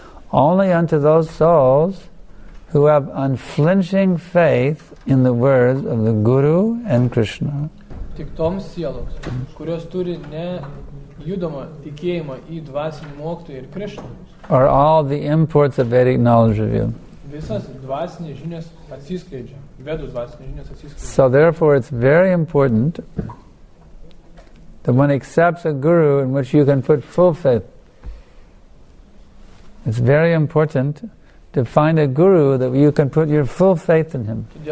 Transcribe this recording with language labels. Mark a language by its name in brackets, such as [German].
[English] Only unto those souls who have unflinching faith in the words of the Guru and Krishna. [Lithuanian] Tik toms sieloms, kurios turi nejudomą tikėjimą į dvasinį mokytoją ir Krishna. [English] Are all the imports of Vedic knowledge revealed. [Lithuanian] Visas dvasinės žinios atsiskleidžia. Vedų dvasinės žinios atsiskleidžia. [English] So therefore it's very important that one accepts a guru in which you can put full faith. It's very important to find a guru that you can put your full faith in him.